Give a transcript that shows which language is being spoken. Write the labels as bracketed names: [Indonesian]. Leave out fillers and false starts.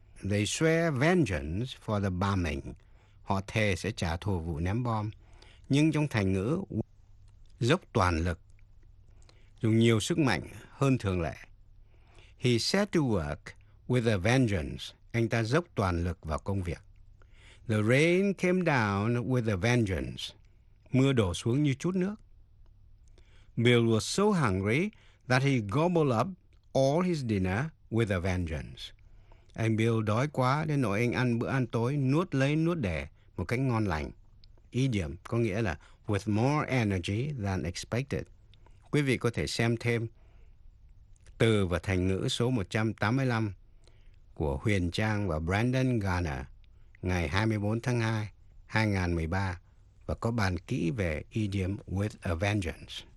[English] They swear vengeance for the bombing. [Vietnamese] Họ thề sẽ trả thù vụ ném bom. Nhưng trong thành ngữ, dốc toàn lực, dùng nhiều sức mạnh hơn thường lệ. [English] He set to work with a vengeance. [Vietnamese] Anh ta dốc toàn lực vào công việc. [English] The rain came down with a vengeance. [Vietnamese] Mưa đổ xuống như chút nước. [English] Bill was so hungry that he gobbled up all his dinner with a vengeance. [Vietnamese] Anh Bill đói quá đến nỗi anh ăn bữa ăn tối nuốt lấy nuốt đẻ một cách ngon lành. Ý điểm có nghĩa là [English] with more energy than expected. [Vietnamese] Quý vị có thể xem thêm từ và thành ngữ số 185 của Huyền Trang và Brandon Garner ngày 24 tháng 2, 2013 và có bàn kỹ về ý điểm [English] with a vengeance.